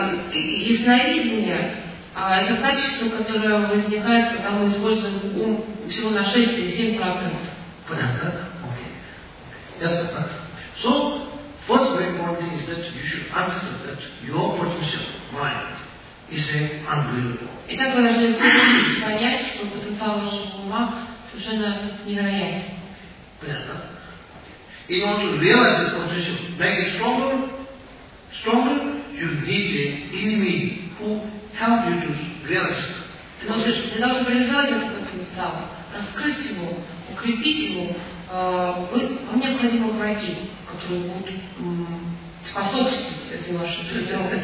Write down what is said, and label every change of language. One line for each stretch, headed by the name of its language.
Russian: Ясновидение это качество, которое возникает, когда мы используем ум всего на 6-7%. Понятно? Окей.
English: So, first very important thing is that you should understand that your potential mind is unbelievable.
Russian: Итак, вы должны понять, что потенциал вашего ума совершенно невероятен. Понятно?
English: In order to realize this potential, make it stronger, stronger, you need an enemy who help you to realize.
Russian: Но для того, чтобы реализовать этот потенциал, раскрыть его, укрепить его, вам необходимо пройти, который будет способствовать этой вашей жизни.